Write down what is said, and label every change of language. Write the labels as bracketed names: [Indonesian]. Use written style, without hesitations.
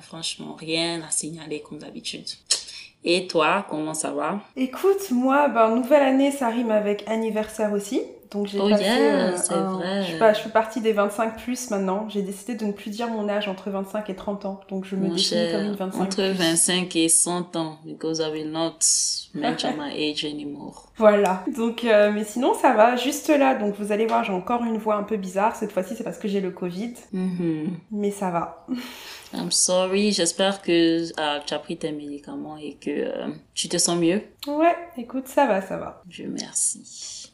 [French] Franchement, rien à signaler comme d'habitude. Et toi, comment ça va? Écoute, moi, nouvelle année, ça rime avec anniversaire aussi. Donc j'ai je fais partie des 25 plus maintenant. J'ai décidé de ne plus dire mon âge entre 25 et 30 ans. Donc je me définis comme une 25 plus. Entre 25 et 100 ans, [English] because I will not mention my age anymore. [French] Voilà. Donc, mais sinon ça va. Juste là, donc vous allez voir, j'ai encore une voix un peu bizarre. Cette fois-ci, c'est parce que j'ai le Covid. Mm-hmm. Mais ça va. [English] I'm sorry. [French] J'espère que tu as pris tes médicaments et que tu te sens mieux. Ouais. Écoute, ça va, ça va. Je remercie.